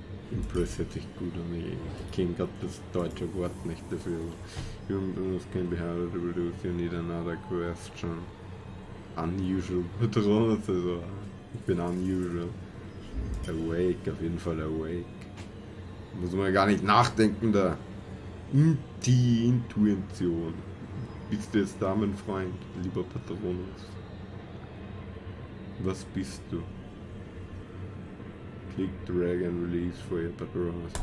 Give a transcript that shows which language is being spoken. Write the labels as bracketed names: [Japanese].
[German] Impress hört sich gut an. Ich kenne gerade das deutsche Wort nicht dafür. [English] Humans can be harder to produce. You need another question. Unusual [German] Patronus, also. Ich bin [English] unusual. Awake, [German] auf jeden Fall [English] awake. [German] Muss man gar nicht nachdenken da. Intuition. Bist du jetzt da, mein Freund, lieber Patronus? Was bist du? [English] Click, drag and release for your Patronus.